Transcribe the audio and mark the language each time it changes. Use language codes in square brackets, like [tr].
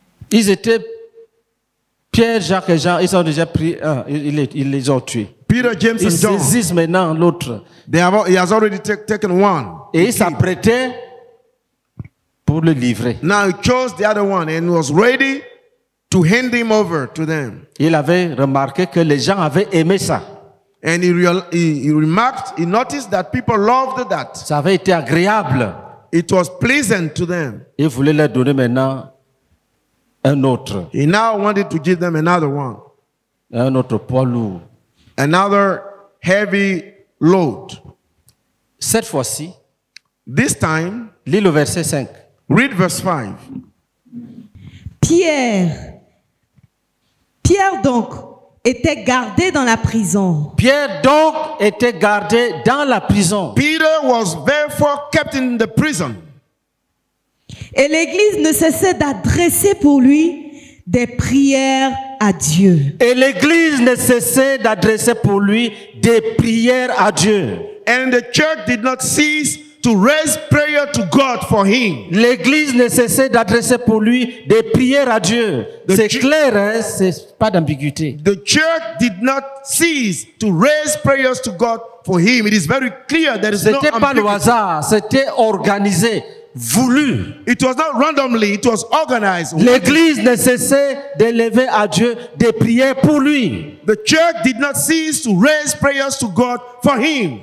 [fr] Ils étaient Pierre, Jacques et Jean. Ils ont déjà pris un. Ils les ont tués. [en] Peter, James [fr] ils [en] and John. [fr] Ils saisissent maintenant l'autre. [en] He has already taken one. [fr] Et il s'apprêtait pour le livrer. [en] Now he chose the other one and was ready to hand him over to them. [fr] Il avait remarqué que les gens avaient aimé ça. [en] And he noticed that people loved that. [fr] Ça avait été agréable. [en] It was pleasant to them. [fr] Il voulait leur donner maintenant un autre. [en] He now wanted to give them another one. [fr] Un autre poids lourd. [en] Another heavy load. [fr] Cette fois-ci, [en] this time, [fr] lis le verset 5. [en] Read verse 5. [fr] Pierre donc était gardé dans la prison. Pierre donc était gardé dans la prison. [en] Peter was therefore kept in the prison. [fr] Et l'église ne cessait d'adresser pour lui des prières à Dieu. Et l'église ne cessait d'adresser pour lui des prières à Dieu. [en] And the church did not cease to raise prayer to God for him. [fr] L'église ne cessait d'adresser pour lui des prières à Dieu. Clair, hein? C'est pas d'ambiguïté. [en] The church did not cease to raise prayers to God for him. It is very clear that it's [fr] c'était [en] no [fr] pas le hasard, c'était organisé. Voulu. [en] It was not randomly, it was organized. [fr] L'église ne cessait d'élever à Dieu des prières pour lui. [en] The church did not cease to raise prayers to God for him.